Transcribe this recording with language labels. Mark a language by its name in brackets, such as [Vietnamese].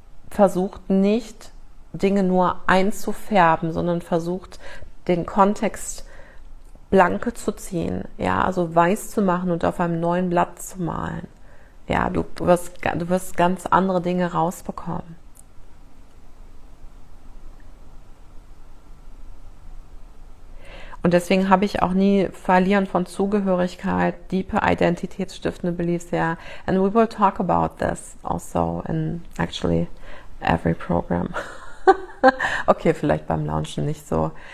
[German] Versucht nicht, Dinge nur einzufärben, sondern versucht, den Kontext blanke zu ziehen, ja, also weiß zu machen und auf einem neuen Blatt zu malen. Ja, du wirst ganz andere Dinge rausbekommen. Und deswegen habe ich auch nie Verlieren von Zugehörigkeit, diepe identitätsstiftende Beliefs, ja. [English] And we will talk about this also in actually every program. [German] Okay, vielleicht beim Launchen nicht so.